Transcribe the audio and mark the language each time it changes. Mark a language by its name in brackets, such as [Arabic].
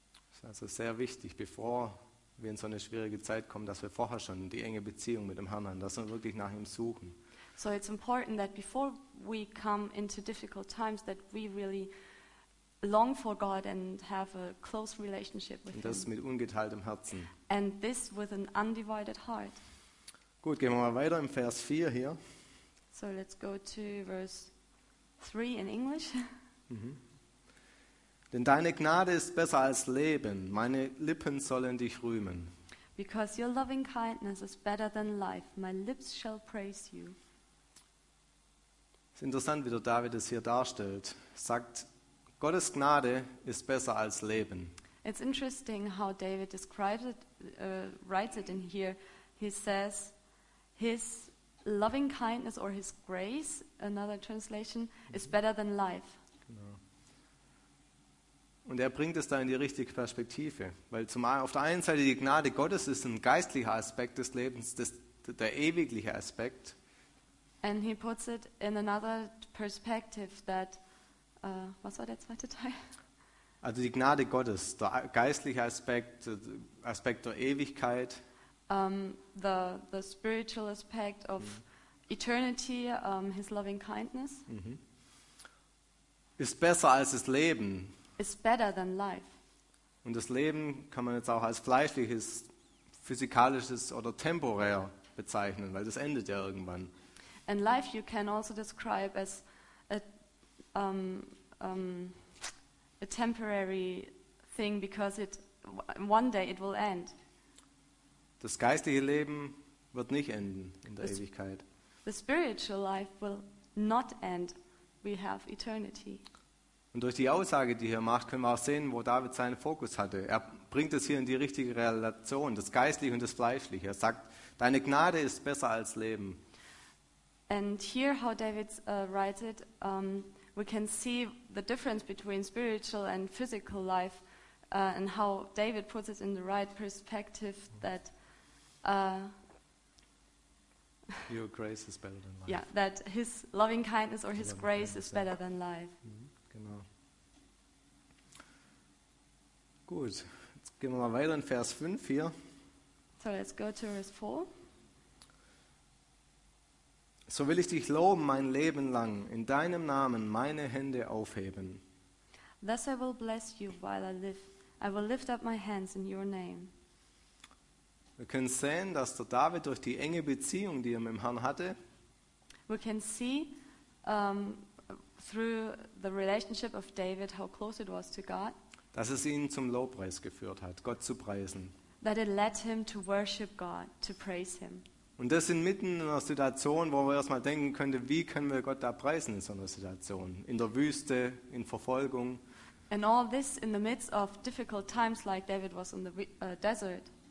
[German] Es ist also sehr wichtig, bevor wir in so eine schwierige Zeit kommen, dass wir vorher schon die enge Beziehung mit dem Herrn haben, dass wir wirklich nach ihm suchen. [English] So it's important that before we come into difficult times that we really long for God and have a close relationship with him. [German] Und das mit ungeteiltem Herzen. [English] And this with an undivided heart. [German] Gut, gehen wir mal weiter im Vers 4 hier. [English] So let's go to verse 3 in English. [German] Denn deine Gnade ist besser als Leben. Meine Lippen sollen dich rühmen. [English] Because your loving kindness is better than life. My lips shall praise you. [German] Es ist interessant, wie der David es hier darstellt. Sagt, Gottes Gnade ist besser als Leben. [English] It's interesting how David describes it, writes it in here. He says, his loving kindness or his grace, another translation, is better than life. [German] Und er bringt es da in die richtige Perspektive. Weil zumal auf der einen Seite die Gnade Gottes ist ein geistlicher Aspekt des Lebens, der ewigliche Aspekt. [English] And he puts it in another perspective that, [German] was war der zweite Teil? Also die Gnade Gottes, der geistliche Aspekt, Aspekt der Ewigkeit. [English] The spiritual aspect of eternity, his loving kindness. [German] Ist besser als das Leben. [English] Is better than life. [German] Und das Leben kann man jetzt auch als fleischliches, physikalisches oder temporär bezeichnen, weil das endet ja irgendwann. [English] And life you can also describe as a temporary thing because it one day it will end. [German] Das geistliche Leben wird nicht enden in der Ewigkeit. [English] The spiritual life will not end. We have eternity. [German] Und durch die Aussage, die er macht, können wir auch sehen, wo David seinen Fokus hatte. Er bringt es hier in die richtige Relation, das Geistliche und das Fleischliche. Er sagt, deine Gnade ist besser als Leben. [English] And here how David writes it, we can see the difference between spiritual and physical life and how David puts it in the right perspective that your grace is better than life. Yeah, that his loving kindness or his grace is better than life. [German] Genau. Gut, jetzt gehen wir mal weiter in Vers 5 hier. [English] So let's go to verse 4. [German] So will ich dich loben mein Leben lang, in deinem Namen meine Hände aufheben. [English] Thus I will bless you while I live. I will lift up my hands in your name. [German] Wir können sehen, dass der David durch die enge Beziehung, die er mit dem Herrn hatte, [English] we can see through the relationship of David, how close it was to God. [German] Dass es ihn zum Lobpreis geführt hat, Gott zu preisen. [English] That it led him to worship God, to praise him. [German] Und das inmitten in einer Situation, wo man erstmal denken könnte, wie können wir Gott da preisen in so einer Situation? In der Wüste, in Verfolgung. [English] And all this in the midst of difficult times, like David was in the desert.